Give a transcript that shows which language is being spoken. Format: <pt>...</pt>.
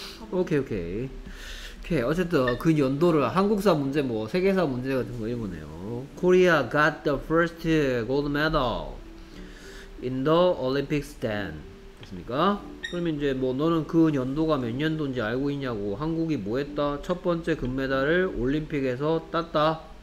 <ko>오케이 오케이 오케이 어쨌든 그 연도를 한국사 문제 뭐 세계사 문제 같은 거 이거네요.</ko> <en>Korea got the first gold medal in the Olympics then.</en> <ko>됐습니까? 그러면 이제 뭐 너는 그 연도가 몇 년도인지 알고 있냐고. 한국이 뭐 했다? 첫 번째 금메달을 올림픽에서 땄다.</ko>